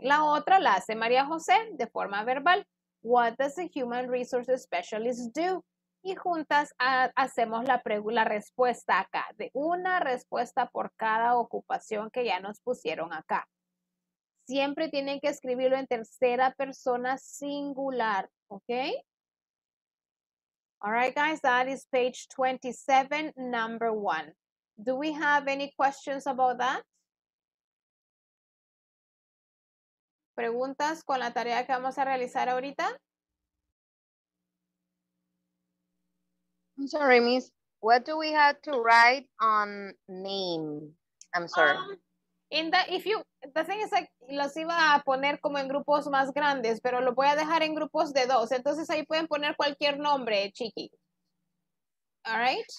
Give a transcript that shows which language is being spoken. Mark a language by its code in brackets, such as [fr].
[es] La otra la hace María José de forma verbal. [en] What does a human resources specialist do? [es] Y juntas hacemos la respuesta acá, de una respuesta por cada ocupación que ya nos pusieron acá. Siempre tienen que escribirlo en tercera persona singular, ¿ok? [en] All right, guys, that is page 27, number 1. Do we have any questions about that? [es] ¿Preguntas con la tarea que vamos a realizar ahorita? [en] I'm sorry, miss. What do we have to write on name? I'm sorry. The thing is, [es] los iba a poner como en grupos más grandes, pero lo voy a dejar en grupos de dos. Entonces, ahí pueden poner cualquier nombre, Chiqui. [en] All right?